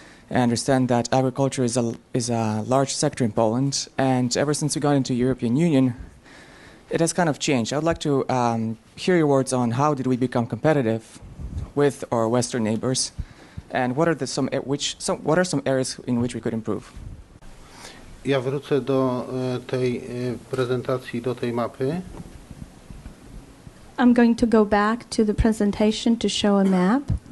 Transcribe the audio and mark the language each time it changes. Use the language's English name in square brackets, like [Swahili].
[English] I understand that agriculture is a large sector in Poland, and ever since we got into European Union, it has kind of changed. I would like to hear your words on how did we become competitive with our Western neighbors, and what are some areas in which we could improve? [Polish] Ja wrócę do tej prezentacji, do tej mapy. [English] I'm going to go back to the presentation to show a map.